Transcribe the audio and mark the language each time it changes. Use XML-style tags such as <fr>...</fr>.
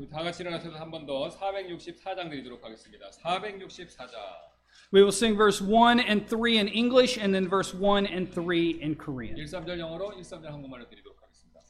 <ko>다 같이 일어나셔서 한 번 더 464장 드리도록 하겠습니다. 464장.</ko> <en>We will sing verse 1 and 3 in English and then verse 1 and 3 in Korean.</en> <ko>13절 영어로 13절 한국말로 드리도록 하겠습니다.</ko>